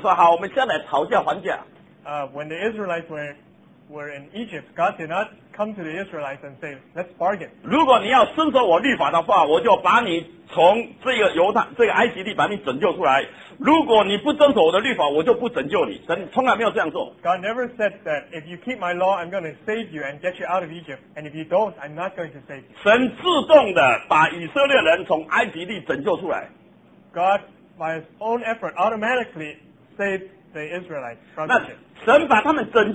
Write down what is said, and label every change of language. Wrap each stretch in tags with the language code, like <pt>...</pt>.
<zh>以色列人在埃及的时候，神没有告诉他们说：“好，我们现在讨价还价。”</zh> <en>When the Israelites were in Egypt, God did not come to the Israelites and say, "Let's bargain."</en> <zh>如果你要遵守我律法的话，我就把你 从这个犹太这个埃及地把你拯救出来，如果你不遵守我的律法，我就不拯救你。神从来没有这样做。</zh> <en>God never said that if you keep my law, I'm going to save you and get you out of Egypt, and if you don't, I'm not going to save you.</en> <zh>神自动的把以色列人从埃及地拯救出来。</zh> <en>God by his own effort automatically saved the Israelites from Egypt.</en>